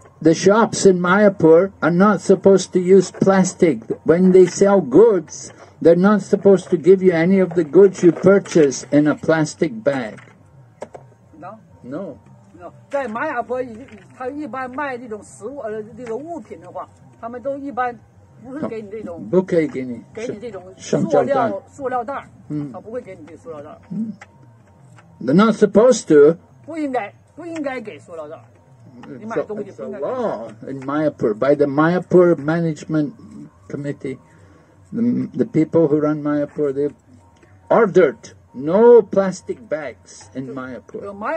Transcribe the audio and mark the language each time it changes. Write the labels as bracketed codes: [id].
[en] The shops in Mayapur are not supposed to use plastic. When they sell goods, they're not supposed to give you any of the goods you purchase in a plastic bag. No. No. [zh] 在Mayapur，他一般卖这种食物，这个物品的话，他们都一般不是给你这种塑料袋，他不会给你这塑料袋。 [en] They're not supposed to. [zh] 不应该给塑料袋。 [en] It's a law in Mayapur, by the Mayapur Management Committee. The people who run Mayapur, they've ordered no plastic bags in Mayapur.